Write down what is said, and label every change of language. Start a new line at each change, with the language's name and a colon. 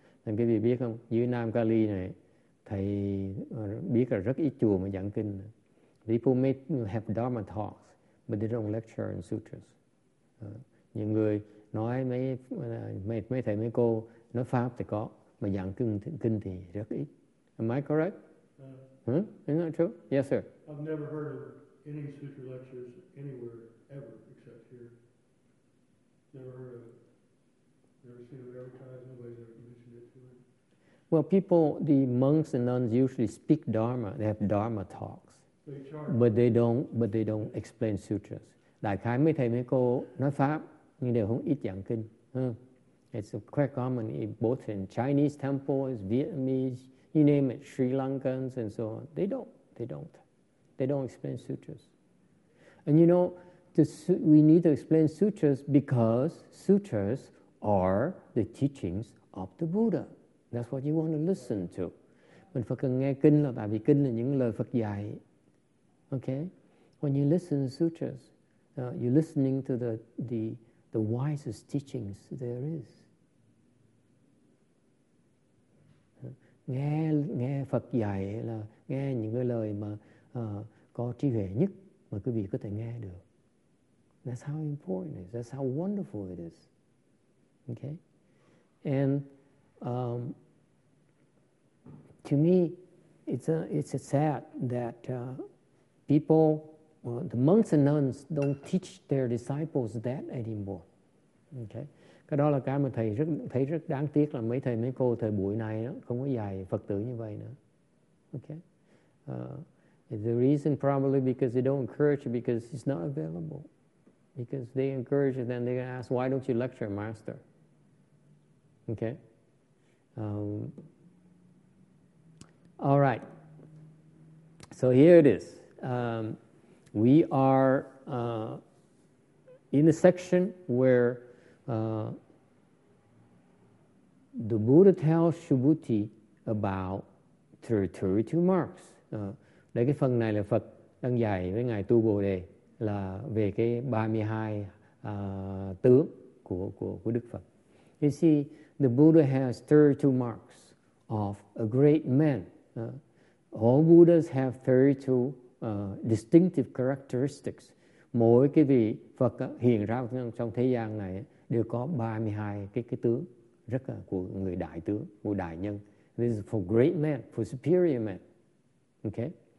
Vietnamese: Nên quý vị biết không, dưới Nam Cali này, thầy biết là rất ít chùa mà giảng kinh.
English: People may have Dharma talks, but they don't lecture in sutras.
Vietnamese: Những người nói mấy thầy mấy cô nói pháp thì có, mà giảng kinh thì rất ít.
English: Am I correct? Isn't that true? Yes, sir. I've never heard of any sutra lectures anywhere ever except here. Never seen it advertised. Nobody's ever mentioned it to me. Well, people, the monks and nuns usually speak Dharma. They have Dharma talks. They charge. But they don't explain sutras.
Vietnamese: Đại khái mấy thầy mấy cô nói pháp nhưng đều không ít giảng kinh.
English: It's quite common both in Chinese temples, Vietnamese, you name it, Sri Lankans and so on. They don't explain sutras. And you know, we need to explain sutras because sutras are the teachings of the Buddha. That's what you want to listen to.
Vietnamese: Mình phải cần nghe kinh là tại vì kinh là những lời Phật dạy.
English: Okay? When you listen to sutras, you're listening to the wisest teachings there is.
Vietnamese: Nghe Phật dạy là nghe những cái lời mà có trí huệ nhất mà quý vị có thể nghe được.
English: That's how important it is. That's how wonderful it is. Okay? And to me, it's sad that the monks and nuns don't teach their disciples that anymore. Okay?
Vietnamese: Cái đó là cái mà thầy thấy rất đáng tiếc là mấy thầy mấy cô thời buổi này đó, không có dạy Phật tử như vậy nữa.
English: Okay. The reason probably because they don't encourage it because it's not available. Because they encourage it, then they're going to ask, why don't you lecture master? Okay. All right. So here it is. We are in a section where The Buddha tells Subhuti about 32 marks.
Vietnamese: Đấy cái phần này là Phật đang dạy với ngài Tu Bồ Đề là về cái 32 tướng của Đức Phật.
English: You see, the Buddha has 32 marks of a great man. All Buddhas have 32 distinctive characteristics.
Vietnamese: Mỗi cái vị Phật hiện ra trong thế gian này đều có 32 cái tướng rất là của người đại tướng, của đại nhân.
English: This is for great men, for superior men. Okay?